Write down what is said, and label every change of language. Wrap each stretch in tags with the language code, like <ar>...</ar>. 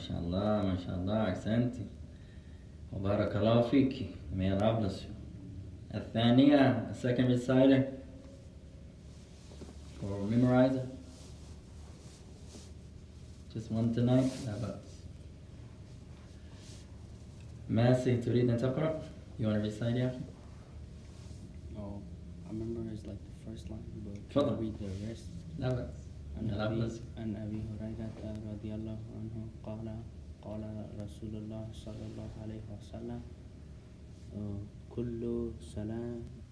<ar>MashaAllah, أحسنتي وبارك الله فيك.</ar> <en>May Allah bless you. الثانية, the second reciter or memorizer. Just one tonight, how about this?</en> <ar>Masi, تريد أن تقرأ?</ar> <en>You want to recite it? Oh, I memorized like the first line, but</en> <ar>تفضل.</ar> <en>Read the rest.</en> <ar>أبي هريرة رضي الله عنه قال قال رسول الله صلى الله عليه وسلم كل سلام</ar>